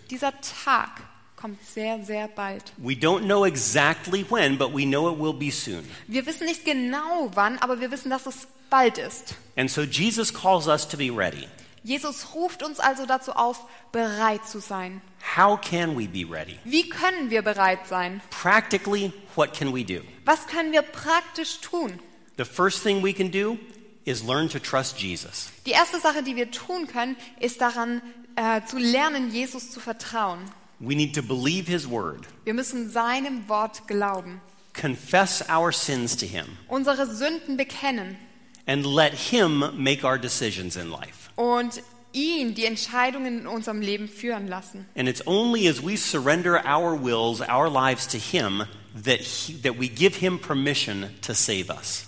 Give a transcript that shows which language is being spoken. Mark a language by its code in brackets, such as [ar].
[de] Dieser Tag kommt sehr, sehr bald. [en] We don't know exactly when, but we know it will be soon. [de] Wir wissen nicht genau wann, aber wir wissen, dass es bald ist. [en] And so Jesus calls us to be ready. [de] Jesus ruft uns also dazu auf, bereit zu sein. [en] How can we be ready? [de] Wie können wir bereit sein? [en] Practically, what can we do? [de] Was können wir praktisch tun? [en] The first thing we can do is learn to trust Jesus. [de] Die erste Sache, die wir tun können, ist daran zu lernen, Jesus zu vertrauen. [en] We need to believe his word. [de] Wir müssen seinem Wort glauben. [en] Confess our sins to him. [de] Unsere Sünden bekennen. [en] And let him make our decisions in life. [de] Und ihn die Entscheidungen in unserem Leben führen lassen. [en] And it's only as we surrender our wills, our lives to him, that we give him permission to save us.